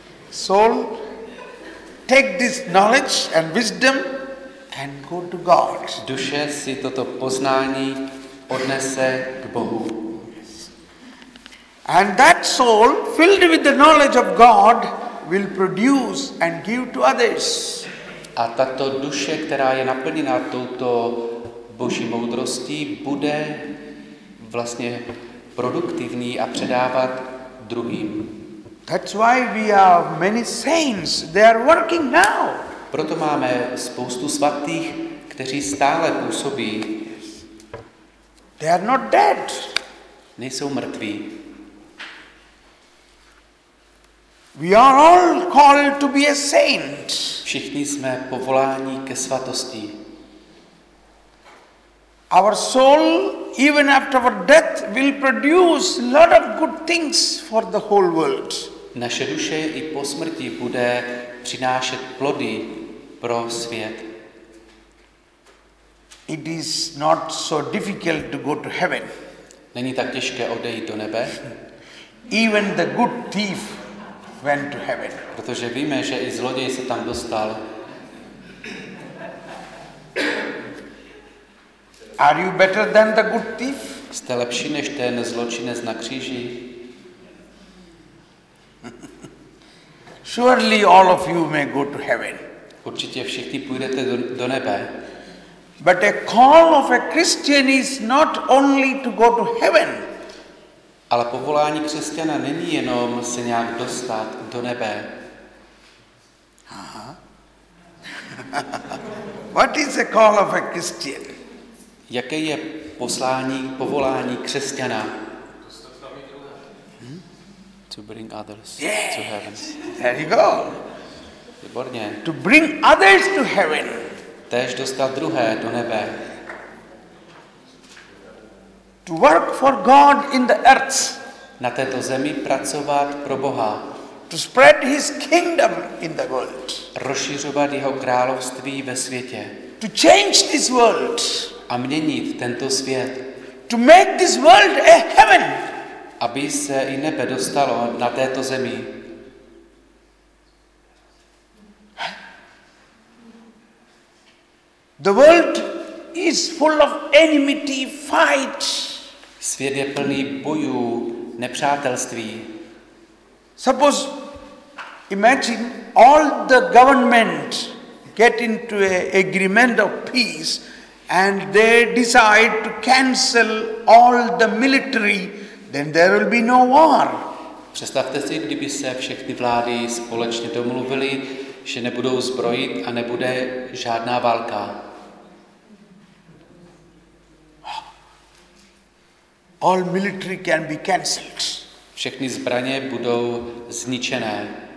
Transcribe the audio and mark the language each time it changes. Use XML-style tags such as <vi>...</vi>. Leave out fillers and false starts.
<en>Soul, take this knowledge and wisdom and go to God.</en> <cs>Duše si toto poznání odnese k Bohu.</cs> <en>And that soul, filled with the knowledge of God, will produce and give to others.</en> <cs>A tato duše, která je naplněna touto Boží moudrostí, bude vlastně produktivní a předávat druhým.</cs> <en>That's why we have many saints. They are working now.</en> <cs>Proto máme spoustu svatých, kteří stále působí.</cs> <en>They are not dead.</en> <cs>Nejsou mrtví.</cs> <en>We are all called to be a saint.</en> <cs>Všichni jsme povoláni ke svatosti.</cs> <en>Our soul, even after our death, will produce a lot of good things for the whole world.</en> <cs>Naše duše i po smrti bude přinášet plody pro svět.</cs> <en>It is not so difficult to go to heaven.</en> <cs>Není tak těžké odejít do nebe.</cs> <en>Even the good thief went to heaven.</en> <cs>Protože víme, že i zloděj se tam dostal.</cs> <en>Are you better than the good thief?</en> <cs>Jste lepší než ten zločinec na kříži?</cs> <en>Surely all of you may go to heaven.</en> <cs>Určitě všichni půjdete do nebe.</cs> <en>But a call of a Christian is not only to go to heaven.</en> <cs>Ale povolání křesťana není jenom se nějak dostat do nebe. Aha.</cs> <en>What is the call of a Christian?</en> <cs>Jaké je poslání, povolání křesťana?</cs> <en>To bring others yes. to heaven. There you go.</en> <cs>Výborně.</cs> <en>To bring others to heaven.</en> <cs>Též dostat druhé do nebe.</cs> <en>To work for God in the earth.</en> <cs>Na této zemi pracovat pro Boha.</cs> <en>To spread his kingdom in the world.</en> <cs>Rozšiřovat jeho království ve světě.</cs> <en>To change this world.</en> <cs>A měnit tento svět.</cs> <en>To make this world a heaven.</en> <cs>Aby se i nebe dostalo na této zemi.</cs> <en>The world is full of enmity, fight.</en> <cs>Svět je plný bojů, nepřátelství.</cs> <en>Suppose, imagine all the government get into an agreement of peace and they decide to cancel all the military. Then there will be no war.</en> <cs>Představte si, kdyby se všechny vlády společně domluvily, že nebudou zbrojit a nebude žádná válka.</cs> <en>All military can be cancelled.</en> <cs>Všechny zbraně budou zničené.</cs>